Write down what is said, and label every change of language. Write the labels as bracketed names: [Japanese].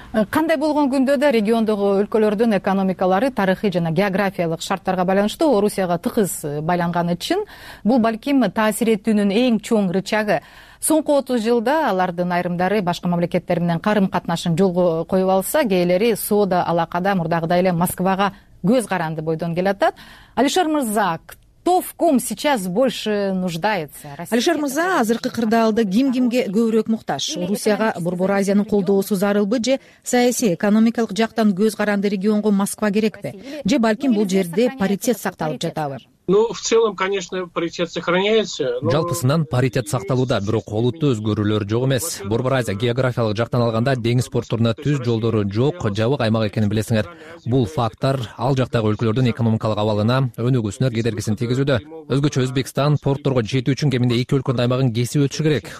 [Kyrgyz] Кандай болгон күндө да региондогу өлкөлөрдүн экономикалары тарыхый жана географиялык шарттарга байланыштуу Орусияга тыгыз байланганы чын. Бул балким таасир этүүнүн эң чоң рычагы. Соңку 30 жылда алардын айрымдары башка мамлекеттер менен карым катнашын жолго коюп алса, кээлери соода алакада мурдагыдай эле Москвага көз каранды бойдон келатат. [Russian] Алишер мырза, кто в ком сейчас больше нуждается? [Kyrgyz] Алишер мырза, азыркы кырдаалда ким-кимге көбүрөөк муктаж? Орусияга Борбор Азиянын колдоосу зарылбы же саясий экономикалык жактан көз каранды регионго Москва керекпи? Же балким бул жерде паритет сакталып жатабы? [Russian] Ну, в целом, конечно, паритет сохраняется. [Kyrgyz] Жалпысынан паритет сакталууда, бирок олуттуу өзгөрүүлөр жок эмес. Борбор Азия географиялык жактан алганда деңиз портторуна түз жолдору жок, жабык аймак экенин билесиңер. Бул фактор ал жактагы өлкөлөрдүн экономикалык абалына өнүгүүсүнө кедергисин тийгизүүдө. Өзгөчө Өзбекстан портторго жетүү үчүн кеминде эки өлкөнүн аймагын кесип өтүшү керек.